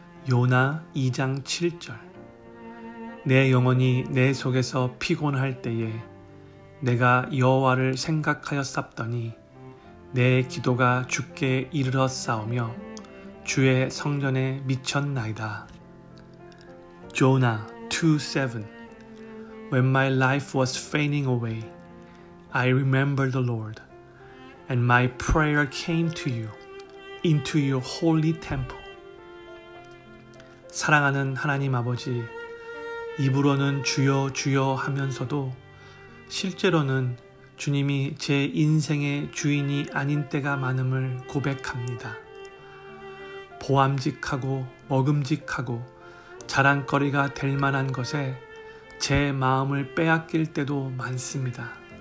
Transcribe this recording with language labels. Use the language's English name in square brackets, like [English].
[Korean] 요나 2장 7절 내 영혼이 내 속에서 피곤할 때에 내가 여호와를 생각하였었더니 내 기도가 주께 이르렀사오며 주의 성전에 미쳤나이다. [English] Jonah 2:7 When my life was fading away, I remembered the Lord, and my prayer came to you, into your holy temple. [Korean] 사랑하는 하나님 아버지, 입으로는 주여 주여 하면서도 실제로는 주님이 제 인생의 주인이 아닌 때가 많음을 고백합니다. 보암직하고 먹음직하고 자랑거리가 될 만한 것에 제 마음을 빼앗길 때도 많습니다.